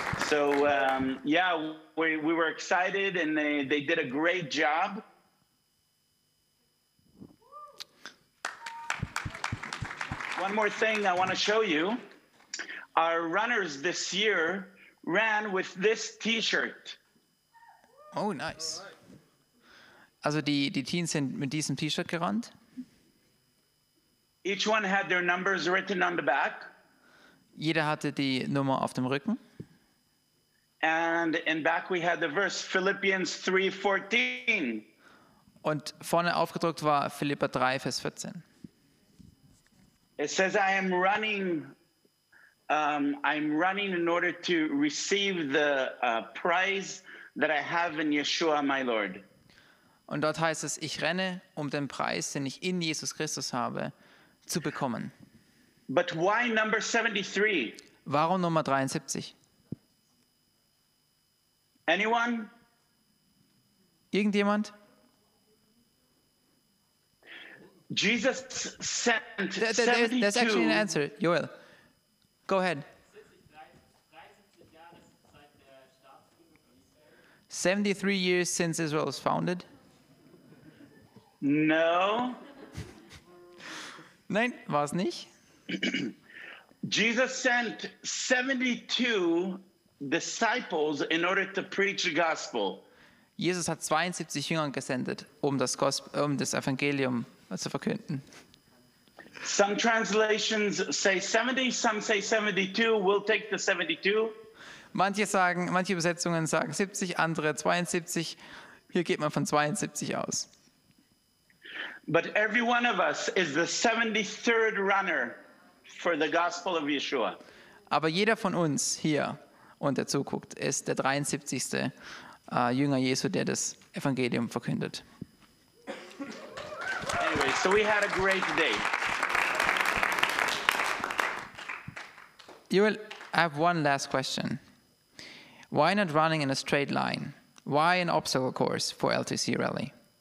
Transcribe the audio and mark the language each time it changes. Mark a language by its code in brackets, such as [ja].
[en] So, we were excited and they did a great job. One more thing I want to show you. Our runners this year ran with this T-shirt. Oh, nice. [de] Also die Teens sind mit diesem T-Shirt gerannt? [en] Each one had their numbers written on the back. [de] Jeder hatte die Nummer auf dem Rücken. [en] And in back we had the verse Philippians 3:14. [de] Und vorne aufgedruckt war Philipper 3, Vers 14. [en] It says, I am running, in order to receive the prize that I have in Yeshua, my Lord. [de] Und dort heißt es, ich renne, um den Preis, den ich in Jesus Christus habe, zu bekommen. [en] But why number 73? [de] Warum Nummer 73? [en] Anyone? [de] Irgendjemand? [en] Jesus sent 72. That's actually an answer, Joel. Go ahead. 73 years since Israel was founded? No. [de] Nein, war es nicht. [en] Jesus sent 72 disciples in order to preach the gospel. [de] Jesus hat 72 Jünger gesendet, um das Evangelium zu verkünden. [en] Some translations say 70, some say 72. We'll take the 72. [de] Manche Übersetzungen sagen 70, andere 72. Hier geht man von 72 aus. [en] But every one of us is the 73rd runner for the gospel of Yeshua. [de] Aber jeder von uns hier und der zuguckt, ist der 73. Jünger Jesu, der das Evangelium verkündet. [en] Anyway, so we had a great day. Joel, I have one last question. Why not running in a straight line? Why an obstacle course for LTC Rally?